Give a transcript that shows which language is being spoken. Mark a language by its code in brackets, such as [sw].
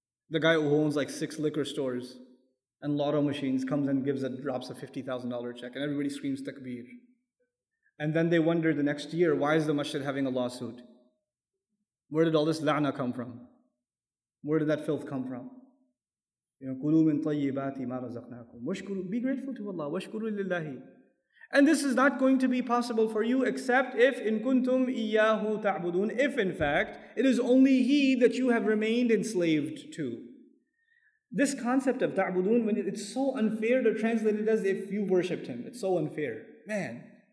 [en] The guy who owns like 6 liquor stores and lotto machines comes and drops a $50,000 check, and everybody screams takbir. And then they wonder the next year, why is the masjid having a lawsuit? Where did all this la'na come from? Where did that filth come from? You know, [ar] قُلُوا مِن طَيِّبَاتِ مَا رَزَقْنَاكُمْ. [en] Be grateful to Allah. [ar] وَشْكُرُوا لِلَّهِ. [en] And this is not going to be possible for you except if [ar] إِن كُنْتُمْ إِيَّاهُ تَعْبُدُونَ. [en] If in fact, it is only He that you have remained enslaved to. This concept of ta'budun, when it's so unfair to translate it as if you worshipped him. It's so unfair. Man.